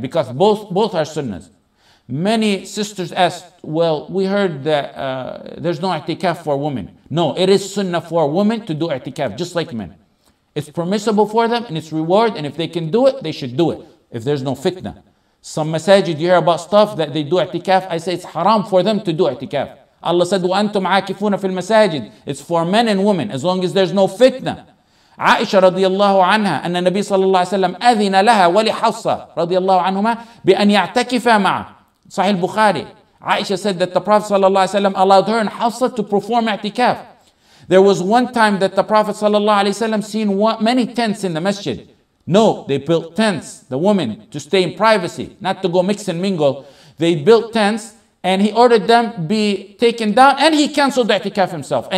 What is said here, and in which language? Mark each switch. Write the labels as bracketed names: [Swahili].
[English] Because both are sunnahs. Many sisters asked, well, we heard that there's no i'tikaf for women. No, it is sunnah for women to do i'tikaf, just like men. It's permissible for them, and it's reward, and if they can do it, they should do it, if there's no fitna. Some masajid, you hear about stuff that they do i'tikaf, I say it's haram for them to do i'tikaf. [Arabic] Allah said, وَأَنْتُمْ عَاكِفُونَ فِي الْمَسَاجِدِ. [English] It's for men and women, as long as there's no fitna. [Arabic] عائشة رضي الله عنها أن النبي صلى الله عليه وسلم أذن لها ولحفصة رضي الله عنهما بأن يعتكفا معه. [English] Sahih al-Bukhari, Aisha said that the Prophet sallallahu alayhi wa sallam allowed her and Hafsa to perform i'tikaf. There was one time that the Prophet sallallahu alayhi wa sallam seen many tents in the masjid. No, they built tents, the women, to stay in privacy, not to go mix and mingle. They built tents and he ordered them be taken down and he canceled the i'tikaf himself.